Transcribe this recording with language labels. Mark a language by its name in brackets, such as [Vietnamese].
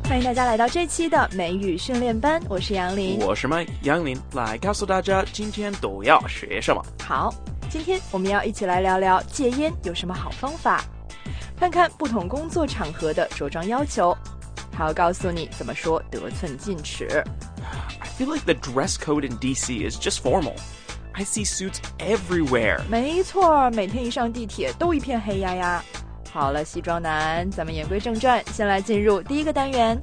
[Chinese] 大家来到这期的美语训练班，我是杨林，我是麦杨林，来告诉大家今天都要学什么。好，今天我们要一起来聊聊戒烟有什么好方法，看看不同工作场合的着装要求，还要告诉你怎么说得寸进尺。 [English] I feel like the dress code in DC is just formal. I see suits everywhere. [Chinese] 没错，每天一上地铁都一片黑压压。好了，西装男，咱们言归正传，先来进入第一个单元。